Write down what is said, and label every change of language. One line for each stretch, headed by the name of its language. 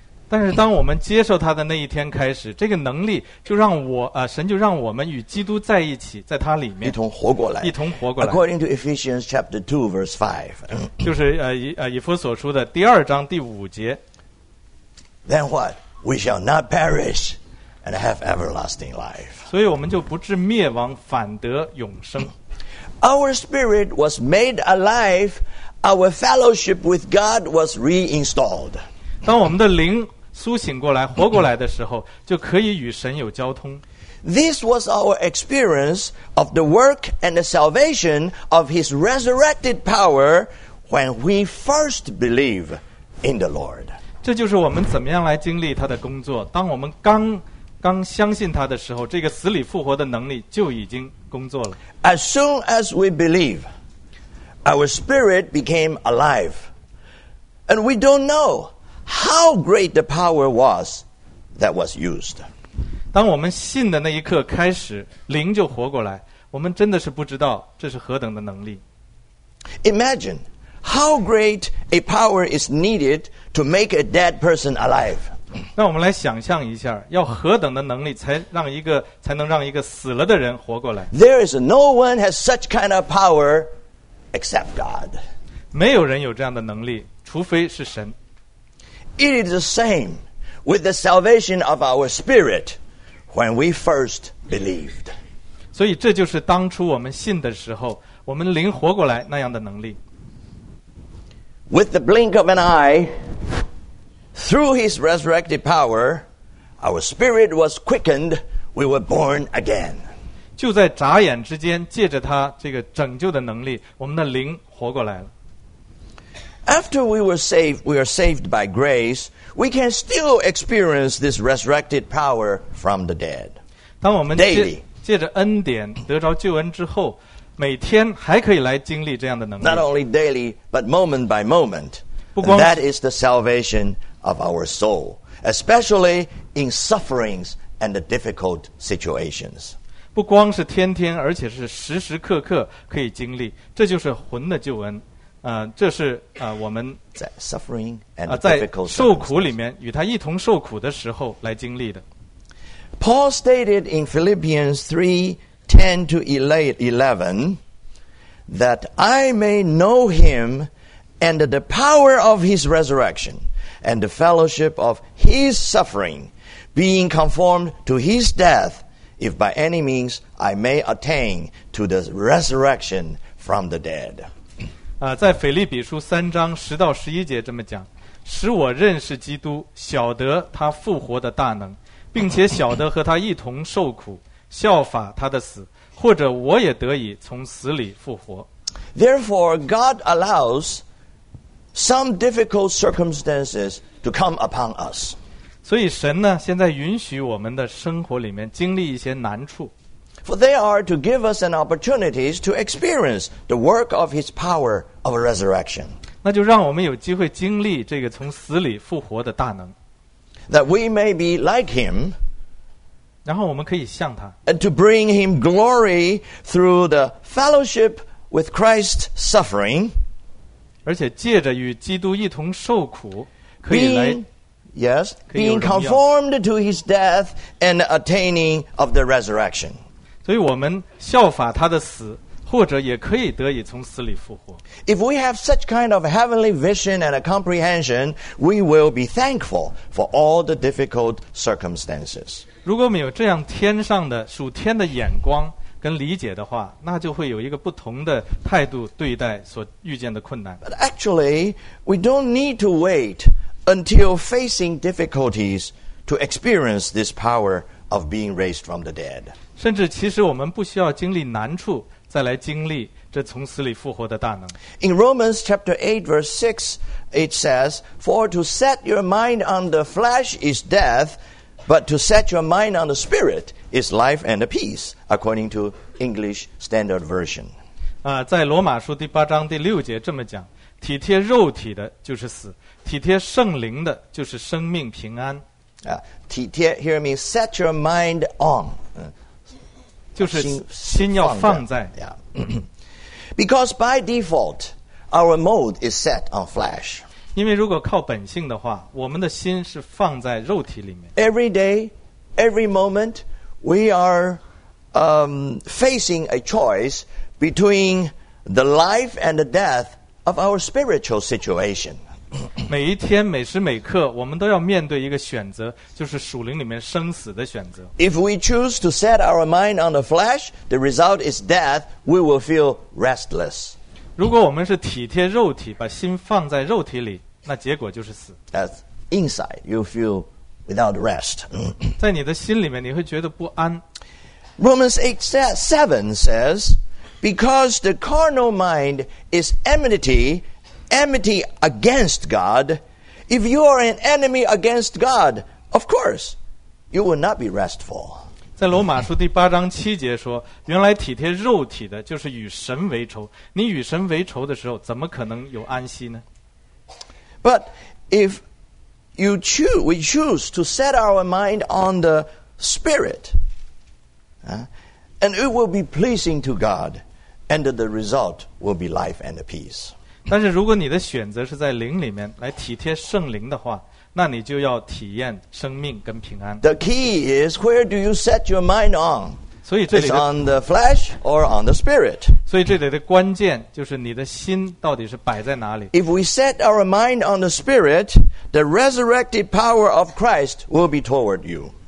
Chinese: 但是当我们接受他的那一天开始，这个能力就让神就让我们与基督在一起，在他里面一同活过来，一同活过来。
English: According to Ephesians chapter 2 verse 5,
Chinese: 就是以弗所书的第二章第五节。
English: Then what? We shall not perish and have everlasting life.
Chinese: 所以我们就不至灭亡，反得永生。
English: Our spirit was made alive. Our fellowship with God was reinstalled.
Chinese: 当我们的灵苏醒过来，活过来的时候，就可以与神有交通。
English: This was our experience of the work and the salvation of His resurrected power when we first believe in the Lord.
Chinese: 这就是我们怎么样来经历他的工作。当我们刚相信他的时候，这个死里复活的能力就已经工作了。
English: As soon as we believe, our spirit became alive, and we don't know how great the power was that was used.
Chinese: 当我们信的那一刻开始，灵就活过来，我们真的是不知道这是何等的能力。
English: Imagine how great a power is needed to make a dead person alive.
Chinese: 那我们来想象一下，要何等的能力才能让一个死了的人活过来。
English: There is no one has such kind of power except God.
Chinese: 没有人有这样的能力，除非是神。
English: It is the same with the salvation of our spirit when we first believed.
Chinese: 所以这就是当初我们信的时候，我们灵活过来那样的能力。
English: With the blink of an eye,Through his resurrected power, our spirit was quickened, we were born again.
Chinese: 就在眨眼之间，借着他这个拯救的能力，我们的灵活过来了。
English: After we were saved, we are saved by grace, we can still experience this resurrected power from the dead.
Chinese: 当我们借着恩典得着救恩之后，每天还可以来经历这样的能力。
English: Not only daily, but moment by moment. And that is the salvation of our soul, especially in sufferings and the difficult situations.
Chinese: 不光是天天，而且是时时刻刻可以经历。这就是魂的救恩。这是我们在
English: suffering and
Chinese: 在受苦里面与他一同受苦的时候来经历的。
English: Paul stated in Philippians 3:10-11 that I may know him and the power of his resurrection. And the fellowship of his suffering, being conformed to his death, if by any means I may attain to the resurrection from the dead.
Chinese: 在腓立比书3:10-11这么讲，使我认识基督，晓得他复活的大能，并且晓得和他一同受苦，效法他的死，或者我也得以从死里复活。
English: Therefore, God allows. Some difficult circumstances to come upon us.
Chinese: 所以神呢，现在允许我们的生活里面经历一些难处。
English: For they are to give us an opportunity to experience the work of His power of resurrection.
Chinese: 那就让我们有机会经历这个从死里复活的大能。
English: That we may be like Him.
Chinese: 然后我们可以像他。
English: And to bring Him glory through the fellowship with Christ's suffering.
Chinese: 而且借着与基督一同受苦，可以来
English: being conformed to his death and attaining of the resurrection.
Chinese: 所以我们效法他的死，或者也可以得以从死里复活。
English: If we have such kind of heavenly vision and a comprehension, we will be thankful for all the difficult circumstances.
Chinese: 如果我们有这样天上的属天的眼光。跟理解的话，那就会有一个不同的态度对待所遇见的困难。
English: But actually, we don't need to wait until facing difficulties to experience this power of being raised from the dead.
Chinese: 甚至其实我们不需要经历难处再来经历这从死里复活的大能。
English: In Romans chapter 8 verse 6, it says, "For to set your mind on the flesh is death, but to set your mind on the spirit." Is life and peace, according to English Standard Version.
Chinese: 在罗马书第八章第六节这么讲，体贴肉体的就是死，体贴圣灵的就是生命平安。
English: 体贴 here means set your mind on.
Chinese: 就是心要放在。
English: Because by default, our mode is set on flesh.
Chinese: 因为如果靠本性的话，我们的心是放在肉体里面。
English: Every day, every moment,We are facing a choice between the life and the death of our spiritual situation.
Chinese: 每一天每时每刻我们都要面对一个选择，就是属灵里面生死的选择。
English: If we choose to set our mind on the flesh, the result is death. We will feel restless.
Chinese: 如果我们是体贴肉体，把心放在肉体里，那结果就是死。
English: That's inside. You feel without rest.
Chinese: 在你的心里面你会觉得不安。
English: Romans 8:7 says, because the carnal mind is enmity against God. If you are an enemy against God, of course, you will not be restful.
Chinese: 在罗马书第八章七节说，原来体贴肉体的就是与神为仇。你与神为仇的时候，怎么可能有安息呢？
English: But if we choose to set our mind on the Spirit, and it will be pleasing to God, and the result will be life and peace.
Chinese: 但是如果你的选择是在灵里面来体贴圣灵的话，那你就要体验生命跟平安。
English: The key is where do you set your mind on?
Chinese: 所以这里的
English: It's on the flesh or on the spirit.
Chinese: 所以这里的关键就是你的心到底是摆在哪里。
English: If we set our mind on the spirit, the resurrected power of Christ will be toward you.